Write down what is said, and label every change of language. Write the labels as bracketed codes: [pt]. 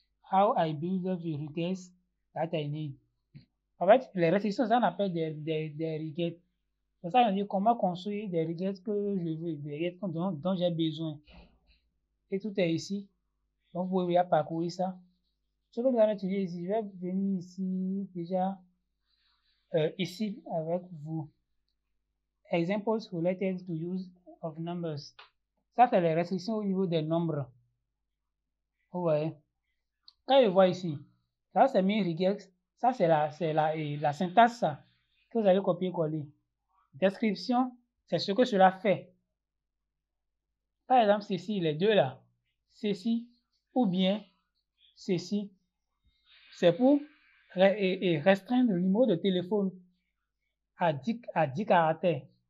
[en] How I build the requests that I need. [fr] En fait, les restrictions, ça on appelle des requests. C'est ça, on dit comment construire des requests que je veux, des requests dont j'ai besoin. Et tout est ici. Donc, vous pouvez parcourir ça. Ce que nous allons étudier ici, je vais venir ici déjà, ici avec vous. [en] Examples related to use of numbers. [fr] Ça, c'est les restrictions au niveau des nombres. Vous voyez. Quand je vois ici, ça c'est mes requests, ça c'est la syntaxe ça, que vous allez copier-coller. Description, c'est ce que cela fait. Par exemple, ceci, les deux là, ceci ou bien ceci, c'est pour restreindre le numéro de téléphone à 10 caractères.